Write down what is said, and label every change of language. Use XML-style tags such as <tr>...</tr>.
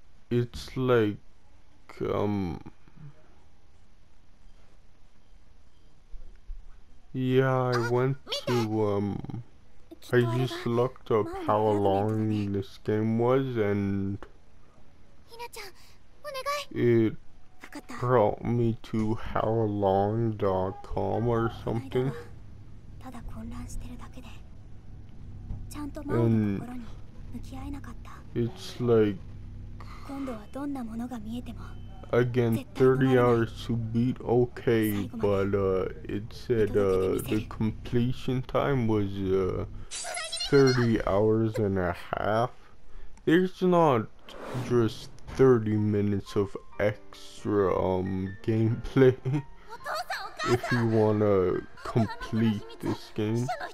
<en>It's like, I went to, I just looked up how long this game was, and it brought me to howlong.com or something.</en> <ja>ただ混乱してるだけで、ちゃんとマオの心に向き合えなかった。</ja> <en>It's like</en> <ja>今度はどんなものが見えても。</ja> <en>Again, 30 hours to beat, okay, but it said the completion time was 30 hours and a half. There's not just 30 minutes of extra gameplay if you want to complete this game.</en>